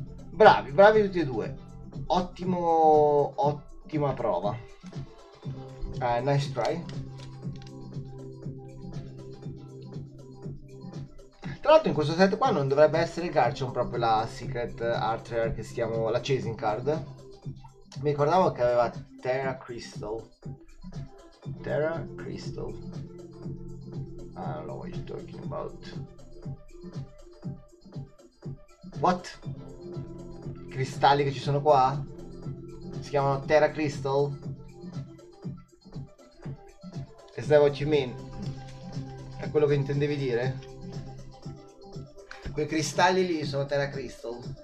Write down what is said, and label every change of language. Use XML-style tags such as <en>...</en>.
<it>Bravi, bravi tutti e due. Ottimo, ottimo. Ultima prova.</it> <en>Nice try.</en> <it>Tra l'altro in questo set qua non dovrebbe essere Garchomp proprio la Secret Art Rare che si chiama la Chasing Card. Mi ricordavo che aveva Terra Crystal. Terra Crystal.</it> <en>I don't know what you're talking about. What?</en> <it>I cristalli che ci sono qua? Si chiamano Terra Crystal?</it> <en>Is that what you mean?</en> <it>È quello che intendevi dire? Quei cristalli lì sono Terra Crystal.</it>